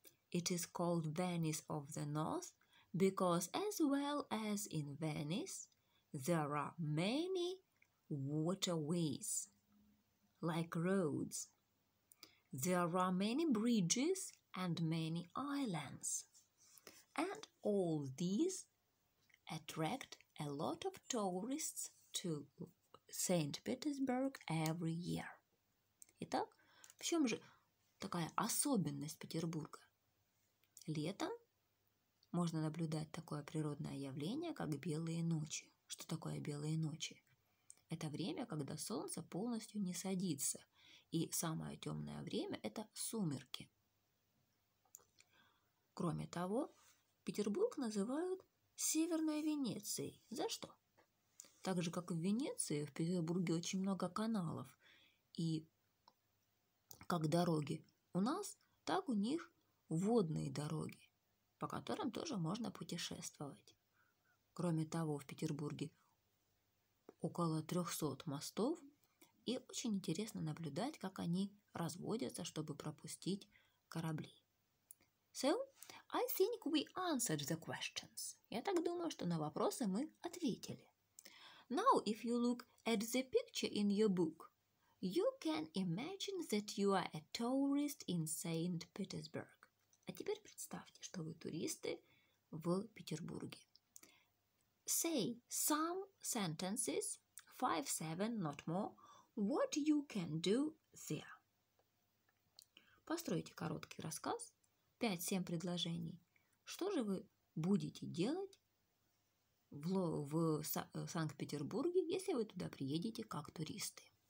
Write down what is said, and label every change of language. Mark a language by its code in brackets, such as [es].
[en] It is called Venice of the North because as well as in Venice, there are many waterways, like roads. There are many bridges and many islands. And all these attract a lot of tourists to St. Petersburg every year. [ru] Итак, в чем же такая особенность Петербурга? Летом можно наблюдать такое природное явление, как белые ночи. Что такое белые ночи? Это время, когда солнце полностью не садится, и самое темное время – это сумерки. Кроме того, Петербург называют Северной Венецией. За что? Так же, как и в Венеции, в Петербурге очень много каналов и как дороги. У нас, так у них водные дороги, по которым тоже можно путешествовать. Кроме того, в Петербурге около 300 мостов, и очень интересно наблюдать, как они разводятся, чтобы пропустить корабли. [en] So, I think we answered the questions. [ru] Я так думаю, что на вопросы мы ответили. [en] Now, if you look at the picture in your book, you can imagine that you are a tourist in Saint Petersburg. [ru] А теперь представьте, что вы туристы в Петербурге. [en] Say some sentences, 5-7, not more, what you can do there. [ru] Постройте короткий рассказ, 5-7 предложений. Что же вы будете делать в Санкт-Петербурге, если вы туда приедете как туристы?